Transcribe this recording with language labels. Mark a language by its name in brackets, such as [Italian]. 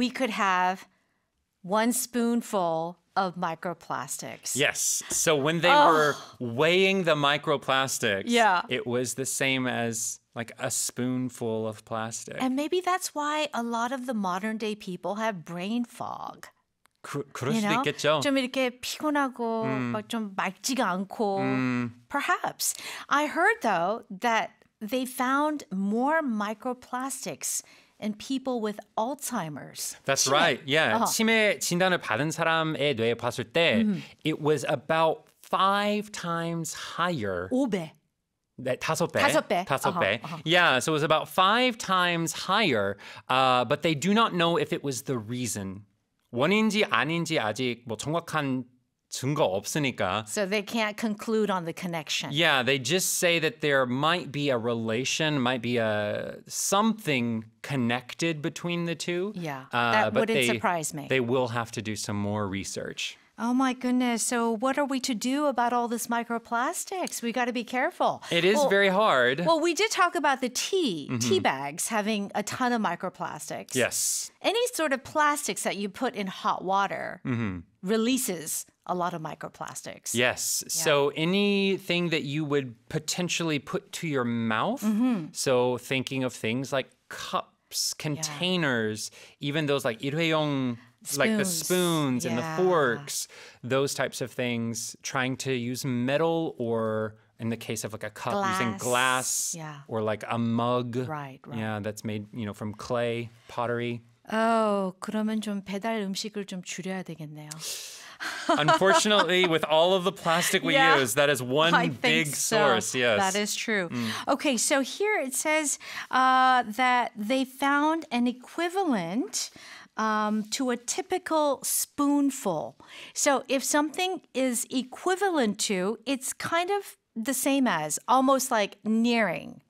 [English] we could have... One spoonful of microplastics. Yes. So when they were weighing the microplastics, it was the same as like a spoonful of plastic. And maybe that's why a lot of the modern day people have brain fog. [Korean] 그럴 수도 있겠죠. 좀 이렇게 피곤하고 막 좀 맑지가 않고. [English] Perhaps. I heard though that they found more microplastics and people with Alzheimer's. That's 치매. Right. Yeah. Uh-huh. [Korean] 치매 진단을 받은 사람의 뇌에 봤을 때 [English] it was about 5 times higher. [Korean] 5배. 네, 5배. 5배. 5배. Uh-huh. Uh-huh. [English] Yeah, so it was about 5 times higher, but they do not know if it was the reason. [Korean] 원인지 아닌지 아직 뭐 정확한 증거 없으니까. [English] So they can't conclude on the connection. Yeah, they just say that there might be a relation, might be a something connected between the two. Yeah, that wouldn't surprise me. They will have to do some more research. Oh my goodness. So what are we to do about all this microplastics? We got to be careful. It is very hard. Well, we did talk about the tea bags having a ton of microplastics. Yes. Any sort of plastics that you put in hot water releases a lot of microplastics. Yes. Yeah. So anything that you would potentially put to your mouth, so thinking of things like cups, containers, even those like 일회용, like the spoons and the forks, those types of things, trying to use metal or in the case of like a cup, glass. Using glass or like a mug. Right, right. Yeah, that's made, you know, from clay, pottery. [Korean] Oh, 그러면 좀 배달 음식을 좀 줄여야 되겠네요. [English] Unfortunately, with all of the plastic we use, that is one big source. Yes, that is true. Mm. Okay, so here it says that they found an equivalent to a typical spoonful. So if something is equivalent to, it's kind of the same as, almost like nearing.